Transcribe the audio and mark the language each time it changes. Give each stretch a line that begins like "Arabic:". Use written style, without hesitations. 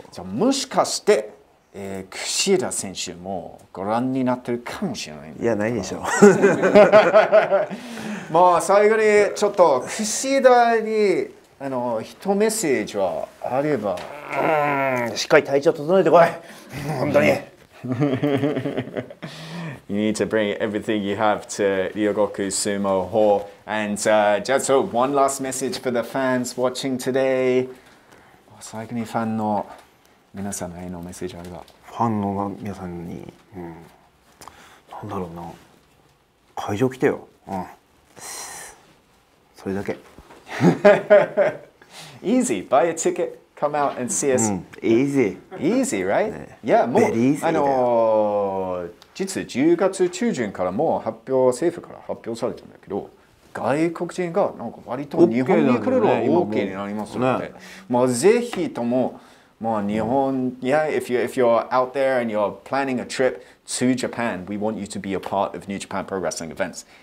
Japanese: じゃあもしかして、串田選手もご覧になってるかもしれない。いや、ないでしょう。まあ最後にちょっと串田に、あの一メッセージはあれば、しっかり体調整えてこい。本当に。
English: You need to bring everything you have to Ryogoku Sumo Hall. And、just so one last message for the fans watching today.
Japanese: 最後にファンの皆さんへのメッセージあれば。ファンの皆さんに、うん、何だろうな。会場来てよ。うん、それだけ。
English: Easy, buy a ticket, come out and see us. Easy. Easy, right? Yeah,
Japanese: もう、あの、実は10月中旬からもう発表、政府から発表されてるんだけど、外国人がなんか割と日本に来るのは OK になりますので、まあぜひとも、まあ日本、
English: yeah, if you're out there and you're planning a trip to Japan, we want you to be a part of New Japan Pro Wrestling events.